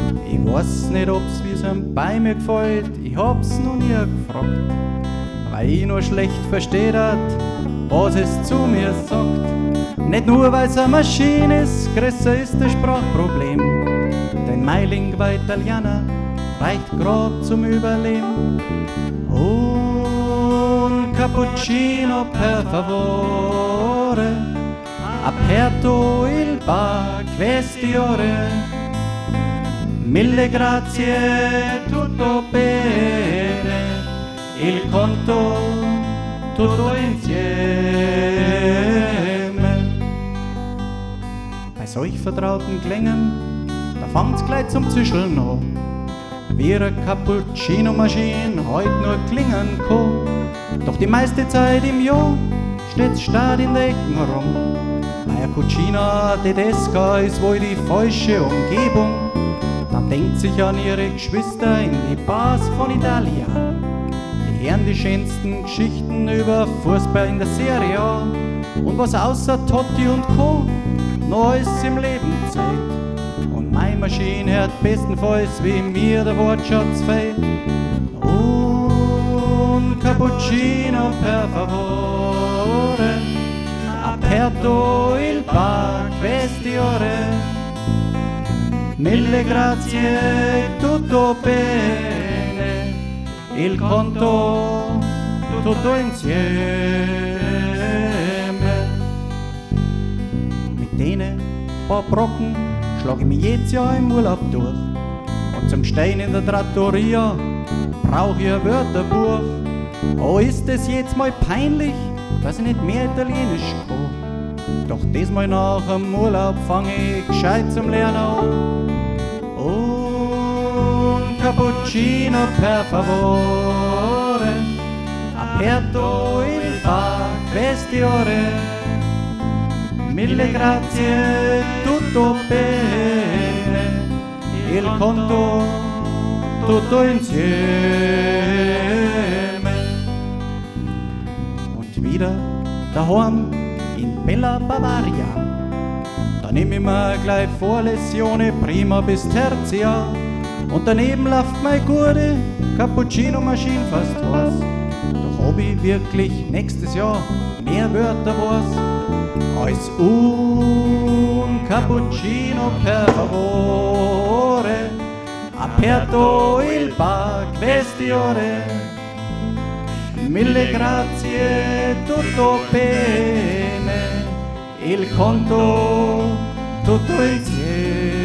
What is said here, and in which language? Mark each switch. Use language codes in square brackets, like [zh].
[de] Ich weiß nicht, ob's wie so ein bei mir gefällt, ich hab's noch nie gefragt. Weil ich nur schlecht versteht hat, was es zu mir sagt. Nicht nur weil's eine Maschine ist, größer ist das Sprachproblem. Denn mein Lingua Italiana reicht grad zum Überleben. [it] Un cappuccino per favore, aperto il bar queste ore. Mille grazie, tutto bene, il conto tutto insieme. [de] Bei solch vertrauten Klängen, da fangt's gleich zum Zischeln an. Wie eine Cappuccino-Maschine heut nur klingen kann. Doch die meiste Zeit im Jahr steht's starr in der Ecken rum. Bei einer Cucina Tedesca ist wohl die falsche Umgebung. Dann denkt sich an ihre Geschwister in die Bars von Italia. Die hören die schönsten Geschichten über Fußball in der Serie A. Und was außer Totti und Co. noch alles im Leben zeigt. Und meine Maschine hört bestenfalls, wie mir der Wortschatz fällt. [it] Un cappuccino per favore, aperto il bar queste ore. Mille grazie, tutto bene, il conto tutto insieme. [de] Mit denen paar Brocken schlag ich mich jedes Jahr im Urlaub durch. Und zum Stein in der Trattoria brauch ich ein Wörterbuch. Oh, ist es jetzt mal peinlich, dass ich nicht mehr Italienisch kann. Doch diesmal nach dem Urlaub fang ich gescheit zum Lernen an. [it] Un cappuccino per favore, aperto il bar queste ore. Mille grazie, tutto bene, il conto tutto insieme. [de] Und wieder daheim in Bella Bavaria. Da nehme ich mir gleich vor Lezione prima bis Tertia. Und daneben läuft meine gute Cappuccino-Maschine fast was. Doch hab ich wirklich nächstes Jahr mehr Wörter was als [it] un cappuccino per favore, aperto il bar queste ore. Mille grazie, tutto bene, il conto tutto insieme.